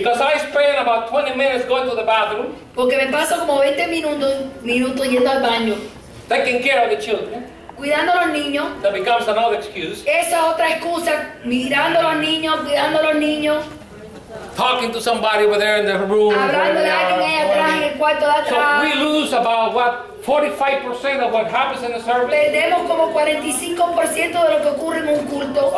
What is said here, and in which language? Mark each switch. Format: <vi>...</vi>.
<en>Because I spend about 20 minutes going to the bathroom.</en> <es>Porque me paso como 20 minutos yendo al baño.</es> <en>Taking care of the children.</en> <es>Cuidando a los niños.</es> <en>That becomes another excuse.</en> <es>Esa otra excusa, mirando a los niños, cuidando a los niños.</es> <en>Talking to somebody over there in the room.</en> <es>Hablando de alguien ahí atrás, en el cuarto de atrás.</es> <en>So we lose about what 45% of what happens in the service.</en> <es>Perdemos como 45% de lo que ocurre en un culto.</es>